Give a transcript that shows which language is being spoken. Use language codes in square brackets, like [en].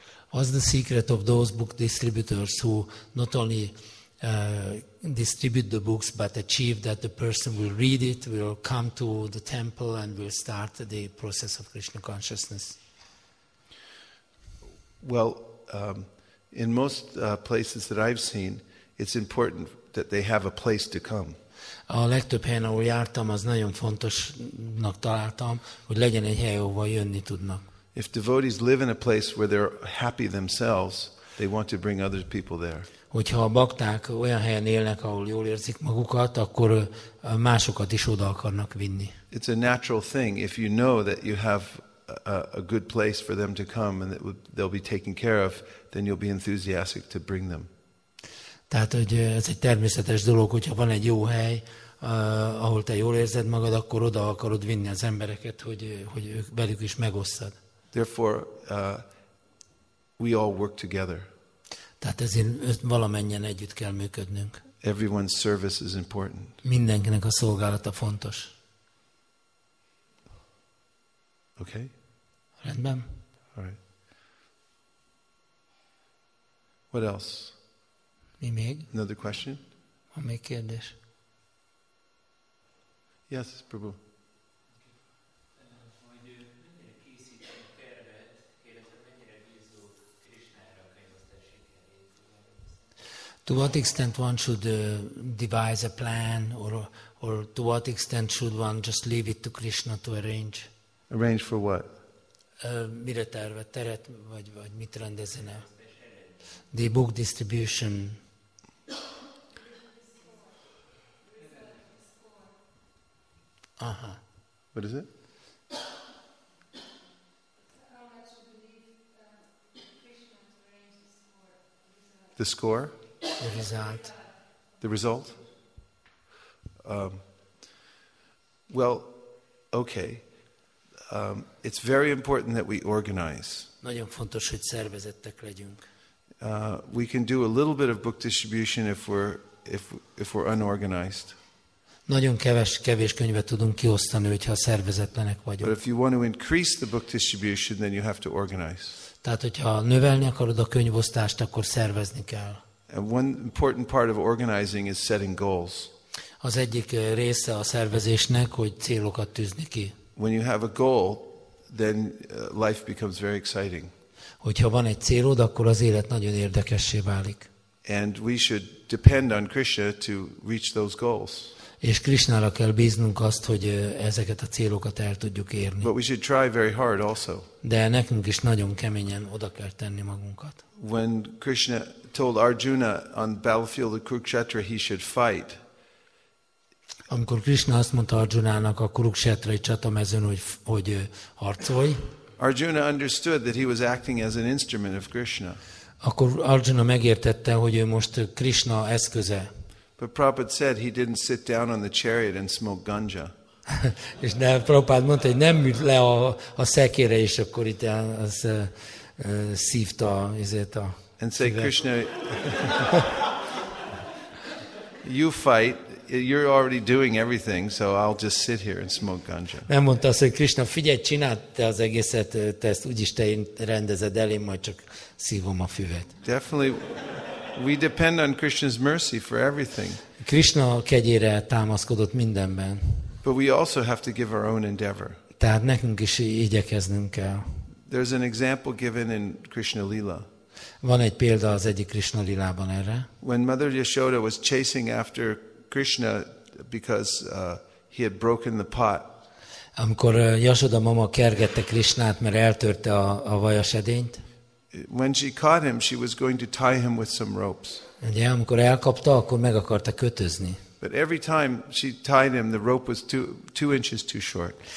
[en] What's the secret of those book distributors who not only distribute the books but achieve that the person will read it, will come to the temple and will start the process of Krishna consciousness? Well, in most places that I've seen, it's important that they have a place to come. [hu] A legtöbb helyen, ahol jártam, az nagyon fontosnak találtam, hogy legyen egy hely, ahova jönni tudnak. [en] If devotees live in a place where they're happy themselves, they want to bring other people there. [hu] Hogyha a bakták olyan helyen élnek, ahol jól érzik magukat, akkor másokat is oda akarnak vinni. [en] It's a natural thing if you know that you have a good place for them to come and that they'll be taken care of, then you'll be enthusiastic to bring them. [hu] Tehát hogy ez egy természetes dolog, hogyha van egy jó hely, ahol te jól érzed magad, akkor oda akarod vinni az embereket, hogy ők velük is megosszad. [en] Therefore, we all work together. [hu] Tehát ezért valamennyien együtt kell működnünk. [en] Everyone's service is important. [hu] Mindenkinek a szolgálata fontos. [en] Okay. [hu] Rendben. [en] All right. What else? [hu] Mi még? [en] Another question? [hu] Van még kérdés? [en] Yes, Prabhu. To what extent one should devise a plan, or to what extent should one just leave it to Krishna to arrange? Arrange for what? [hu] Mire terve, teret, vagy mit rendezene? [en] The book distribution. Aha. What is it? The score? The result. The result? Well, okay. It's very important that we organize. [hu] Nagyon fontos, hogy szervezettek legyünk. [en] We can do a little bit of book distribution if we're unorganized. [hu] Nagyon kevés könyvet tudunk kiosztani, hogyha szervezetlenek vagyunk. [en] But if you want to increase the book distribution, then you have to organize. [hu] Tehát, hogyha növelni akarod a könyvosztást, akkor szervezni kell. [en] And one important part of organizing is setting goals. [hu] Az egyik része a szervezésnek, hogy célokat tűzni ki. [en] When you have a goal, then life becomes very exciting. [hu] Hogyha van egy célod, akkor az élet nagyon érdekessé válik. [en] And we should depend on Krishna to reach those goals. [hu] És Krishnára kell bíznunk azt, hogy ezeket a célokat el tudjuk érni. [en] But we should try very hard also. [hu] De nekünk is nagyon keményen oda kell tenni magunkat. [en] When Krishna told Arjuna on the battlefield of Kurukshetra he should fight. [hu] Amikor Krishna azt mondta Arjunának a Kurukshetrai csatamezőn, hogy harcolj. [en] Arjuna understood that he was acting as an instrument of Krishna. [hu] Akkor Arjuna megértette, hogy ő most Krishna eszköze. [en] But Prabhupada said he didn't sit down on the chariot and smoke ganja. [hu] És de Prabhupada mondta, hogy nem ült le a szekére, és akkor itt az szívta, ezért a [en] And say, Krishna, you fight. You're already doing everything, so I'll just sit here and smoke ganja. [hu] Nem mondta azt, hogy Krishna, figyelj, csináld te az egészet, te ezt úgyis te rendezed el, én majd csak szívom a füvet. [en] Definitely, we depend on Krishna's mercy for everything. [hu] Krishna kegyére támaszkodott mindenben. [en] But we also have to give our own endeavor. [hu] Tehát nekünk is igyekeznünk kell. [en] There's an example given in Krishna Lila. [hu] Van egy példa az egyik Krishna Lilában erre. [en] When Mother Yashoda was chasing after Krishna because he had broken the pot. [hu] Amikor Yashoda mama kergette Krishnát, mert eltörte a vajas edényt. [en] When she caught him, she was going to tie him with some ropes. [hu] Ugye, amikor elkapta, akkor meg akarta kötözni. [en] But every time she tied him, the rope was two inches too short.